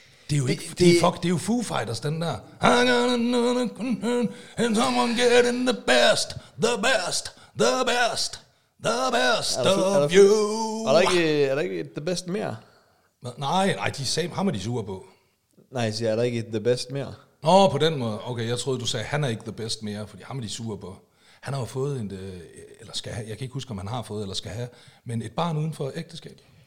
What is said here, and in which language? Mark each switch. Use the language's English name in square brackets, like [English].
[Danish] Det er jo ikke, det er jo Foo Fighters, den der. [English] I got another concern, someone getting the best, the best, the best. The best of you. [Danish] Er der ikke the best mere? Nej, de sagde, ham er de sure på. Nej, siger, er der ikke the best mere? Nå, på den måde. Okay, jeg troede, du sagde, han er ikke the best mere, fordi ham er de sure på. Han har jo fået jeg kan ikke huske, om han har fået eller skal have, men et barn uden for ægteskab.